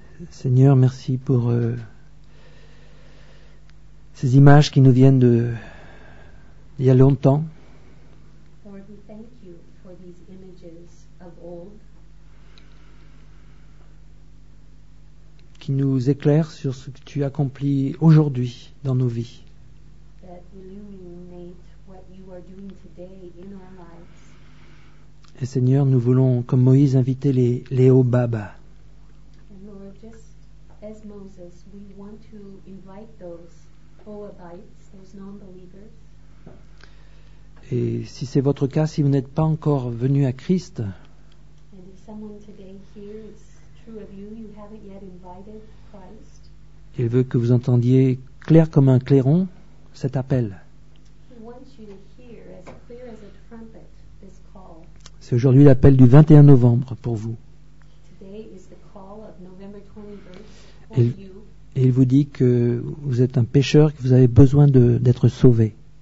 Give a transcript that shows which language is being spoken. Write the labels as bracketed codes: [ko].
[fr] Seigneur, merci pour ces images qui nous viennent d'il y a longtemps. [en] Lord, we thank you for these images of old, [fr] qui nous éclairent sur ce que tu accomplis aujourd'hui dans nos vies. [en] That illuminate what you are doing today in our lives. [fr] Et Seigneur, nous voulons, comme Moïse, inviter les Hobabs. [en] As Moses, we want to invite those Moabites, those non-believers. [fr] Et si c'est votre cas, si vous n'êtes pas encore venu à Christ, [en] and if someone today here is true of you, you haven't yet invited Christ, [fr] il veut que vous entendiez clair comme un clairon cet appel. [en] He wants you to hear as clear as a trumpet this call. [fr] C'est aujourd'hui l'appel du 21 novembre pour vous. [en] Today is the call of November 21st. [fr] Et il vous dit que vous êtes un pécheur, que vous avez besoin d'être sauvé.